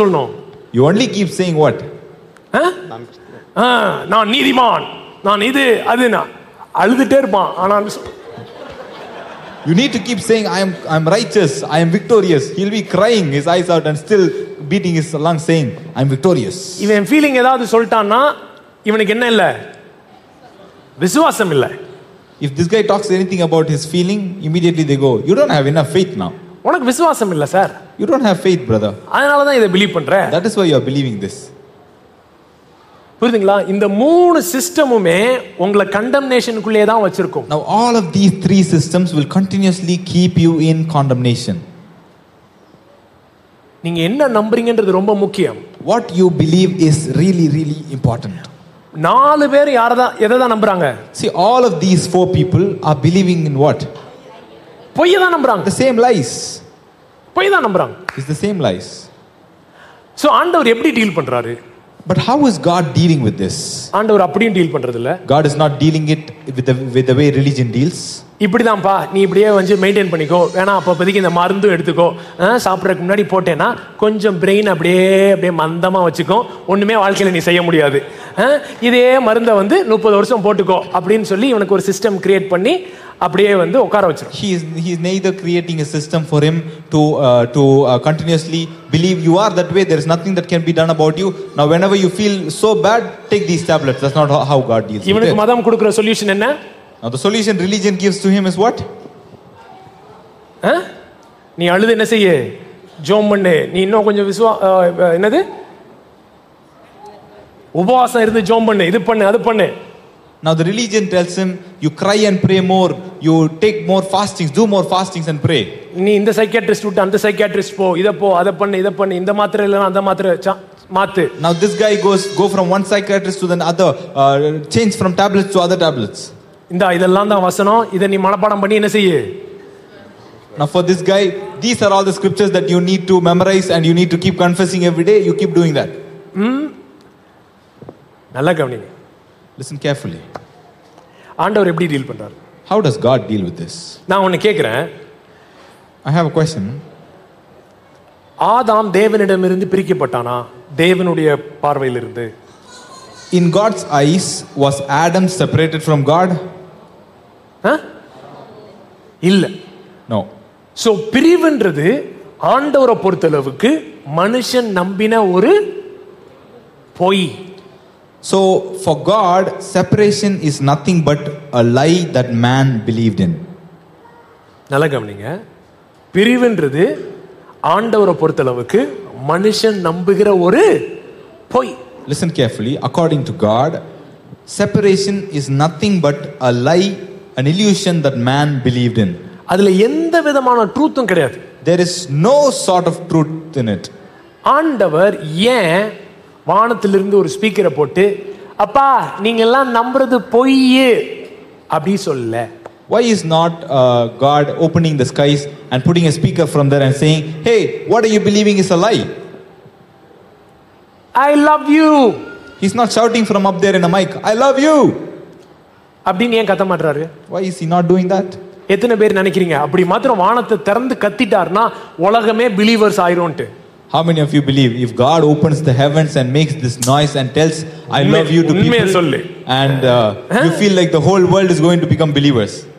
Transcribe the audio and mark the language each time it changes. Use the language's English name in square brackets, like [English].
[Tamil] சொல்லணும்? [English] You only keep saying what? [Tamil] நான் நீதிமான். நான் இது அதுனா அழுதுட்டே இருப்பான். ஆனா [English] you need to keep saying I am righteous, I am victorious. He'll be crying his eyes out and still beating his lungs saying I'm victorious. [Tamil] இவன் ஃபீலிங் ஏதாவது சொல்றானா இவனுக்கு என்ன இல்ல விசுவாசம் இல்ல. [English] If this guy talks anything about his feeling, immediately they go, you don't have enough faith now. [Tamil] உனக்கு விசுவாசம் இல்ல sir. [English] You don't have faith brother. [Tamil] அதனால தான் இத பிலீவ் பண்ற. [English] That is why you are believing this. [Tamil] புரியுதுங்களா? இந்த மூணு சிஸ்டமுமே உங்களை கண்டம்னேஷனுக்குள்ளே தான் வச்சிருக்கும். [English] Now all of these three systems will continuously keep you in condemnation. [Tamil] நீங்க என்ன நம்புறீங்கன்றது ரொம்ப முக்கியம். [English] What you believe is really really important. [Tamil] நாலு பேர் யாரதான் எதை தான் நம்புறாங்க? [English] See all of these four people are believing in what? [Tamil] பொய் தான் நம்புறாங்க. [English] The same lies. [Tamil] பொய் தான் நம்புறாங்க. [English] It's the same lies. [Tamil] So ஆண்டவர் எப்படி டீல் பண்றாரு? [English] But how is God dealing with this? [Tamil] ஆண்டவர் அப்படியே டீல் பண்றது இல்ல. [English] God is not dealing it with the way religion deals. [Tamil] இப்படி தான் பா நீ இப்படியே வந்து மெயின்டெய்ன் பண்ணிக்கோ. வேணா அப்பப்பதிக்கு இந்த மருந்து எடுத்துக்கோ. சாப்பிறதுக்கு முன்னாடி போட்டேனா கொஞ்சம் பிரெயின் அப்படியே மந்தமா வச்சுக்கோ. ஒண்ணுமே வாழ்க்கையில நீ செய்ய முடியாது. இதே மருந்த வந்து 30 வருஷம் போட்டுக்கோ அப்படின்னு சொல்லி இவனுக்கு ஒரு சிஸ்டம் கிரியேட் பண்ணி அப்படியே வந்து உட்கார வச்சிரும். [English] He is neither creating a system for him to continuously believe you are that way. There is nothing that can be done about you. Now whenever you feel so bad, take these tablets. That's not how God deals with it. [Tamil] இவனுக்கு மதம் கொடுக்கிற solution என்ன? [English] Now the solution religion gives to him is what? [Tamil] நீ அழுது என்ன செய்ய? ஜோம் பண்ணு. நீ இன்னும் கொஞ்சம் என்னது உபவாசம் இருந்து ஜோம் பண்ணு. இது பண்ணு அது பண்ணு. [English] Now the religion tells him you cry and pray more, you take more fastings, do more fastings and pray. [Tamil] நீ இந்த சைக்கியாட்ரிஸ்ட் கிட்ட அந்த சைக்கியாட்ரிஸ்ட் போ, இத போ, அத பண்ணு, இத பண்ணு, இந்த மாத்திரை இல்லனா அந்த மாத்திரை மாத்து. [English] Now this guy goes from one psychiatrist to the other, change from tablets to other tablets. [Tamil] இந்த இதெல்லாம் தான் வசனம். இத நீ மனப்பாடம் பண்ணி என்ன செய்யு? [English] Now for this guy, these are all the scriptures that you need to memorize and you need to keep confessing every day. You keep doing that. Listen carefully. [Tamil] ஆண்டவர் எப்படி டீல் பண்றார்? [English] How does God deal with this? [Tamil] நான் உன்ன கேக்குறேன். [English] I have a question. [Tamil] ஆதாம் தேவனிடமிருந்து பிரிக்கப்பட்டானா? தேவனுடைய பார்வையிலிருந்து? [English] In God's eyes, was Adam separated from God? [Tamil] இல்ல. [English] No. [Tamil] So பிரிவுன்றது ஆண்டவரை பொறுத்தளவுக்கு மனுஷன் நம்பின ஒரு பொய். [English] So for God, separation is nothing but a lie that man believed in. [Tamil] நல்லா கவனிங்க. பிரிவுன்றது ஆண்டவரை பொறுத்தளவுக்கு மனுஷன் நம்புகிற ஒரு பொய். [English] Listen carefully. According to God, separation is nothing but a lie, an illusion that man believed in. [Tamil] அதுல எந்த விதமான ட்ரூத்தும் கிடையாது. [English] There is no sort of truth in it. [Tamil] ஆண்டவர் ஏன் வானத்திலிருந்து ஒரு ஸ்பீக்கரை போட்டு அப்பா நீங்க எல்லாம் நம்புறது பொய் அப்படி சொல்லல? [English] Why is not God opening the skies and putting a speaker from there and saying, hey, what are you believing is a lie? I love you. He's not shouting from up there in a mic, I love you. [Tamil] அப்படின்னு ஏன் கத்த மாட்டாரு? [English] Why is he not doing that? [Tamil] எத்தனை பேர் நினைக்கிறீங்க அப்படி மாத்திரம் வானத்தை திறந்து கத்திட்டார்னா உலகமே believers ஆயிரும்ட்டு? [English] How many of you believe if God opens the heavens and makes this noise and tells I love you to people and you feel like the whole world is going to become believers?